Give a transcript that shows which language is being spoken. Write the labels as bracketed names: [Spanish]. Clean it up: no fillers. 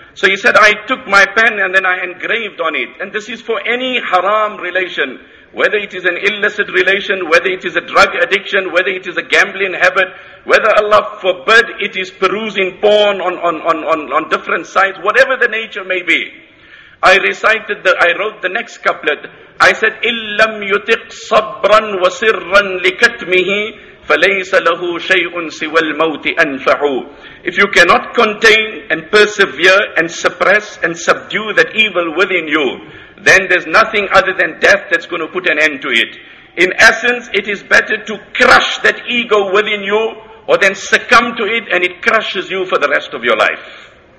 [English] So he said, I took my pen and then I engraved on it. And this is for any haram relation, whether it is an illicit relation, whether it is a drug addiction, whether it is a gambling habit, whether Allah forbid it is perusing porn on different sites, whatever the nature may be. I wrote the next couplet. I said, [Arabic] إِلَّمْ يُتِقْ صَبْرًا وَسِرًّا لِكَتْمِهِ فَلَيْسَ لَهُ شَيْءٌ سِوَى الْمَوْتِ أَنْفَعُ. [English] If you cannot contain and persevere and suppress and subdue that evil within you, then there's nothing other than death that's going to put an end to it. In essence, it is better to crush that ego within you or then succumb to it and it crushes you for the rest of your life.